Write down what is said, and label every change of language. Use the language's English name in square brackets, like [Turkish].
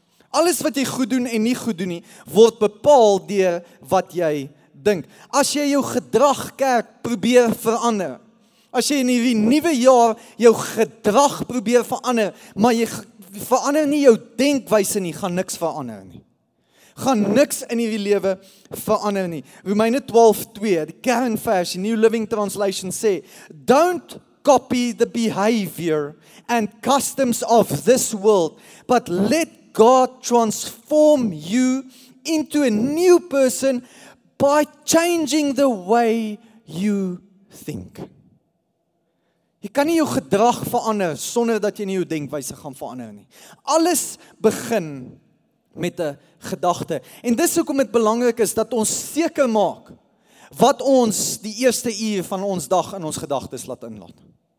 [Afrikaans] Alles wat jy goed doen en nie goed doen nie, word bepaal deur wat jy dink. As jy jou gedrag kerk probeer verander, as jy in hierdie nuwe jaar jou gedrag probeer verander, maar jy verander nie jou denkwyse nie, gaan niks verander nie. Gaan niks in hierdie lewe verander nie. Romeine 12:2, die kernvers, die New Living Translation sê, [English] don't copy the behavior and customs of this world, but let God transform you into a new person by changing the way you think. [Afrikaans] Jy kan nie jou gedrag verander sonder dat jy nie jou denkwyse gaan verander nie. Alles begin met 'n gedagte. En dis hoekom dit belangrik is dat ons seker maak wat ons die eerste uur van ons dag in ons gedagtes laat inlaat.